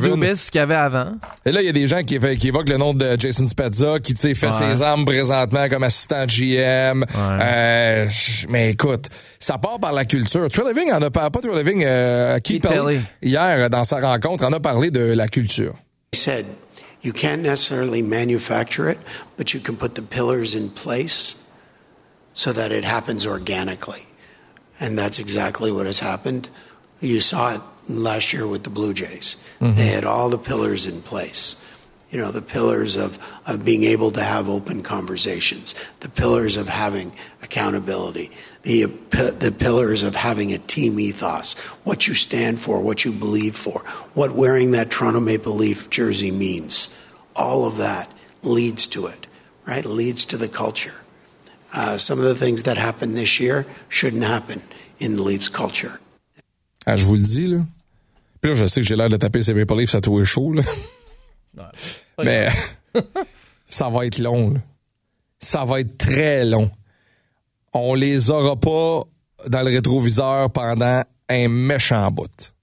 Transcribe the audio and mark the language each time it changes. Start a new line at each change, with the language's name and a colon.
French: Comme Carl Dubis qu'il y avait avant. Et là, il y a des gens qui évoquent le nom de Jason Spezza qui, tu sais, fait ses armes présentement comme assistant GM. Ouais. Mais écoute, ça part par la culture. Treliving en a parlé, pas Treliving, Keith Pelly, hier dans sa rencontre, en a parlé de la culture.
English: He said, you can't necessarily manufacture it, but you can put the pillars in place so that it happens organically. And that's exactly what has happened. You saw it last year with the Blue Jays. Mm-hmm. They had all the pillars in place. You know, the pillars of being able to have open conversations, the pillars of having accountability, the pillars of having a team ethos, what you stand for, what you believe for, what wearing that Toronto Maple Leaf jersey means. All of that leads to it, right? Leads to the culture. Some of the things that happened this year shouldn't happen in the Leafs culture.
French: Ah, je vous le dis, là. Puis là, je sais que j'ai l'air de taper ces Maple Leafs à tous les shows, là. Mais ça va être long. Là. Ça va être très long. On les aura pas dans le rétroviseur pendant un méchant bout.